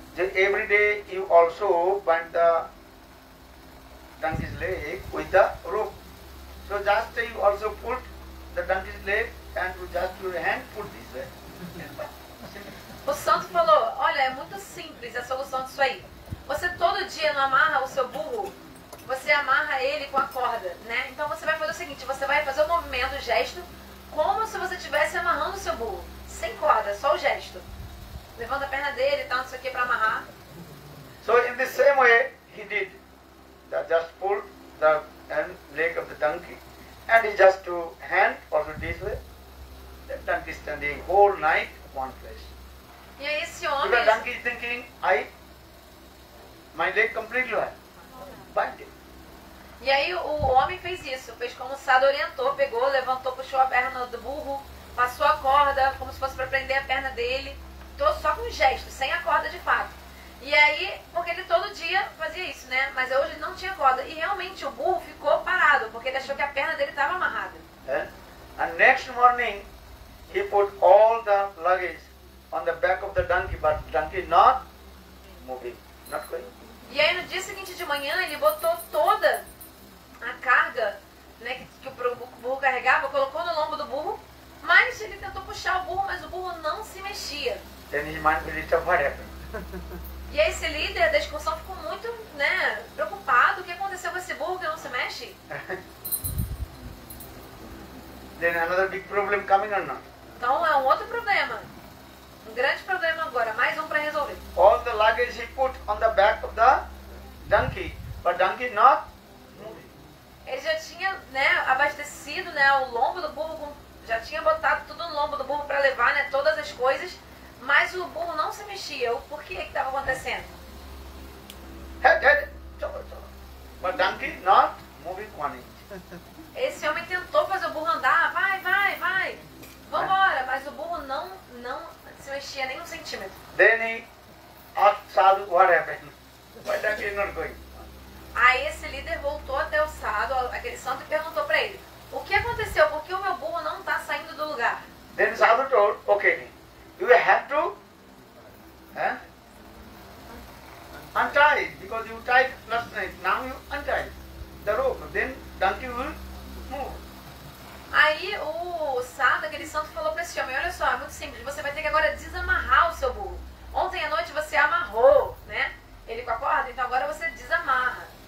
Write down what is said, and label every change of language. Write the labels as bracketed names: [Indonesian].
[English] Every day you also bind the donkey's leg with the rope. So just you also put the donkey's leg and just your hand put this way. [Portuguese] O santo falou, olha, é muito simples a solução disso aí. Você todo dia não amarra o seu burro, você amarra ele com a corda, né? Então você vai fazer o seguinte, você vai fazer o movimento, o gesto, como se você estivesse amarrando o seu burro, sem corda, só o gesto. Levanta a perna dele e tal, isso aqui para amarrar. [English] So in the same way he did, just pull the leg of the donkey, and he just to hand also this way, the donkey standing whole night one place. [Portuguese] E aí esse homem... [English] Because donkey is thinking, my leg completely hurt, bind it. [Portuguese] E aí o homem fez isso, fez como o sadhu orientou, pegou, levantou, puxou a perna do burro, passou a corda, como se fosse para prender a perna dele, tô só com gesto, sem a corda de fato. E aí, porque ele todo dia fazia isso, né? Mas hoje ele não tinha corda. E realmente o burro ficou parado, porque ele achou que a perna dele estava amarrada. [English] And next morning, he put all the luggage on the back of the donkey, but donkey not moving, not going. [Portuguese] E aí no dia seguinte de manhã ele botou toda a carga, né, que o burro carregava, colocou no lombo do burro, mas ele tentou puxar o burro, mas o burro não se mexia. [English] Then his mind believed that what happened. [Portuguese] E aí esse líder da excursão ficou muito, né, preocupado. O que aconteceu com esse burro que não se mexe? [English] Then another big problem coming or not? [Portuguese] Então é um outro problema. Um grande problema agora, mais um para resolver. [English] All the luggage he put on the back of the donkey, but donkey not moving. [Portuguese] Ele já tinha, né, abastecido, né, o lombo do burro, já tinha botado tudo no lombo do burro para levar, né, todas as coisas, mas o burro não se mexia. O porquê que estava acontecendo? [English] Head, but donkey not moving one inch. [Portuguese] Esse homem tentou fazer o burro andar, vai, vambora, mas o burro não se mexia nem um centímetro. [English] Then he asked sadhu what happened. Why donkey not going? [Portuguese] Aí esse líder voltou até o sadhu, aquele santo, e perguntou para ele, o que aconteceu? Por que o meu burro não está saindo do lugar? [English] Then sadhu told, okay, you have to untie, because you tied last night. Now you untie the rope, then donkey will move. [Portuguese] Aí o sábado, aquele santo, falou para esse homem, olha só, é muito simples, você vai ter que agora desamarrar o seu burro. Ontem à noite você amarrou, né? Ele com a corda, então agora você desamarra.